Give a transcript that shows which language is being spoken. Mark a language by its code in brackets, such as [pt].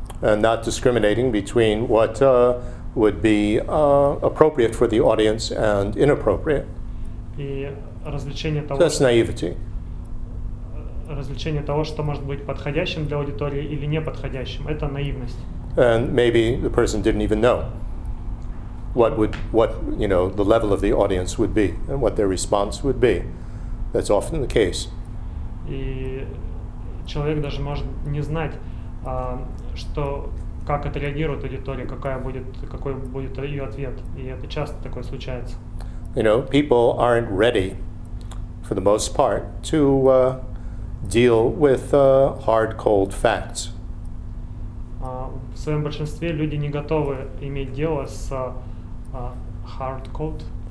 [en] And not discriminating between what would be appropriate for the audience and inappropriate. [ru] И развлечение того, [en] so that's naivety. [ru] Развлечение того, что может быть подходящим для аудитории или неподходящим, это наивность. [en] And maybe the person didn't even know what the level of the audience would be and what their response would be. That's often the case. [ru] И человек даже может не знать, что как отреагирует аудитория, какой будет ее ответ. И это часто такое случается. [en] People aren't ready, for the most part, to deal with hard, cold facts. [ru] В своем большинстве люди не готовы иметь дело с [en] hard cold.